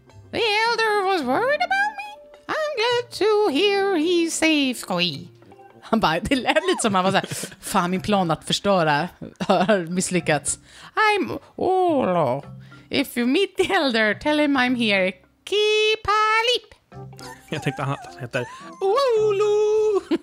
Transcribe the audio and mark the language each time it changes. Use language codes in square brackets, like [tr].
[en] The elder was worried about me? I'm glad to hear he's safe, Kui. [sv] Han bara, det lät lite som han var så här, fan, min plan att förstöra har misslyckats. [en] I'm Olo. If you meet the elder, tell him I'm here. Keep a lip. [sv] Jag tänkte att han heter Olo.